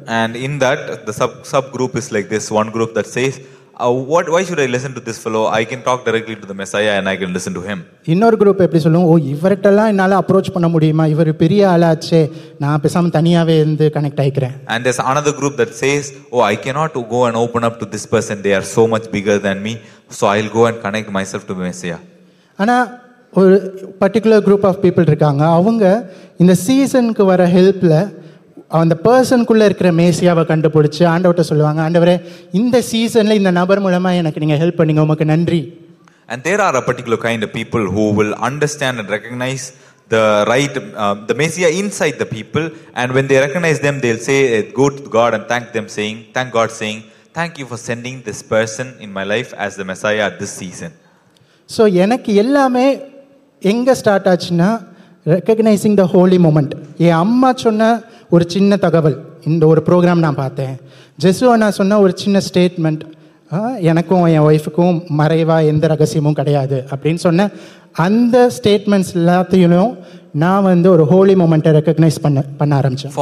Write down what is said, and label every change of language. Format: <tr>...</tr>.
<en>And in that the sub group is like this. One group that says why should I listen to this fellow, I can talk directly to the Messiah and I can listen to him.</en> <ta>இன்னொரு group எப்படி சொல்லும், ஓ இவர்ட்டெல்லாம் என்னால approach பண்ண முடியுமா, இவர் பெரிய ஆளாச்சே, நான் பேசாம தனியாவே இருந்து connect ஆயிக்கிறேன்.</ta> <en>And there's another group that says I cannot go and open up to this person, they are so much bigger than me, so I'll go and connect myself to the Messiah.</en> <ta>ஆனா ஒரு particular group of people இருக்காங்க, அவங்க இந்த சீசனுக்கு வர ஹெல்ப்ல அந்த பர்சனுக்குள்ள இருக்கிற மேசியாவை கண்டுபிடிச்சு ஆண்டவர்ட்ட சொல்லுவாங்க, ஆண்டவரே இந்த சீசன்ல இந்த நபர் மூலமா எனக்கு நீங்க ஹெல்ப் பண்ணீங்க, உமக்கு நன்றி.</ta> <en>And there are a particular kind of people who will understand and recognize the right, the Messiah inside the people. And when they recognize them, they'll say, go to God and thank them, saying, thank God, saying, thank you for sending this person in my life as the Messiah at this season.</en> <ta>So, எனக்கு எல்லாமே எங்க start ஆச்சுன்னா</ta> <en>recognizing the holy moment.</en> <ta>என் அம்மா சொன்ன ஒரு சின்ன தகவல், இந்த ஒரு ப்ரோக்ராம் நான் பார்த்தேன். ஜெசுவா நான் சொன்ன ஒரு சின்ன ஸ்டேட்மெண்ட், எனக்கும் என் ஒய்ஃபுக்கும் மறைவாக எந்த ரகசியமும் கிடையாது அப்படின்னு சொன்ன அந்த ஸ்டேட்மெண்ட்ஸ் எல்லாத்தையும் நான் வந்து ஒரு ஹோலி மோமெண்ட்டை ரெக்கக்னைஸ் பண்ண ஆரம்பித்தேன்.</ta>